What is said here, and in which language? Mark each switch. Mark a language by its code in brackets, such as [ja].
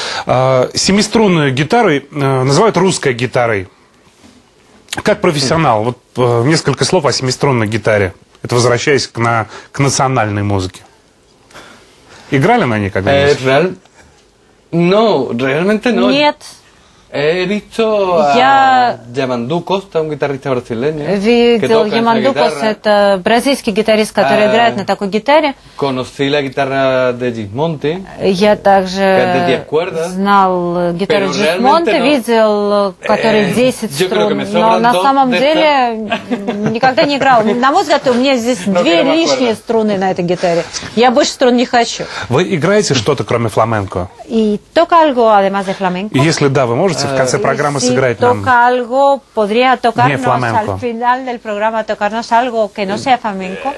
[ru] Семиструнную гитару называют русской гитарой. Как профессионал, вот несколько слов о семиструнной гитаре. Это возвращаясь к национальной музыке. Играли на ней когда-нибудь? [es] No, realmente no. [ru] Нет. [es] He visto a Yamandú Costa, un guitarrista brasileño. [ru] Видел Yamandú Costa, это бразильский гитарист, который играет на такой гитаре. [es] Conocí la guitarra de Gismonti. [ru] Я также знал гитару Gismonti, видел, который 10 струн. Но на самом деле никогда не играл. На мой взгляд, у меня здесь две лишние струны на этой гитаре. Я больше струн не хочу. Вы играете что-то, кроме фламенко? И только [es] algo, además de flamenco. [ru] Если да, вы можете в конце программы сыграть нам. [es] Algo, podría tocarnos al final del programa tocarnos algo que no sea flamenco.